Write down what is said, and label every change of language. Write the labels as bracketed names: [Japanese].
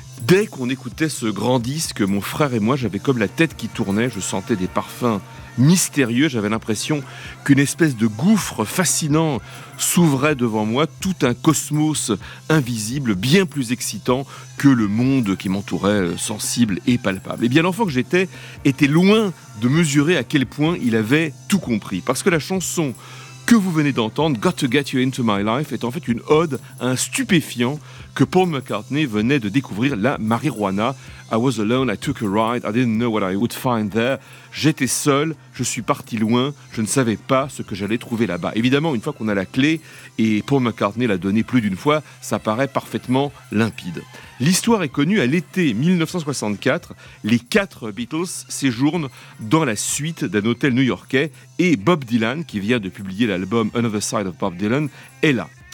[French] Dès qu'on écoutait ce grand disque, mon frère et moi, j'avais comme la tête qui tournait, je sentais des parfums mystérieux, j'avais l'impression qu'une espèce de gouffre fascinant s'ouvrait devant moi, tout un cosmos invisible, bien plus excitant que le monde qui m'entourait, sensible et palpable. Et bien l'enfant que j'étais était loin de mesurer à quel point il avait tout compris. Parce que la chanson que vous venez d'entendre, Got to Get You Into My Life, est en fait une ode à un stupéfiant que Paul McCartney venait de découvrir, la marijuana. [English] I was alone, I took a ride, I didn't know what I would find there. [French] J'étais seul, je suis parti loin, je ne savais pas ce que j'allais trouver là-bas. Évidemment, une fois qu'on a la clé, et Paul McCartney l'a donnée plus d'une fois, ça paraît parfaitement limpide. L'histoire est connue à l'été 1964, les quatre Beatles séjournent dans la suite d'un hôtel new-yorkais et Bob Dylan, qui vient de publier l'album Another Side of Bob Dylan, est là.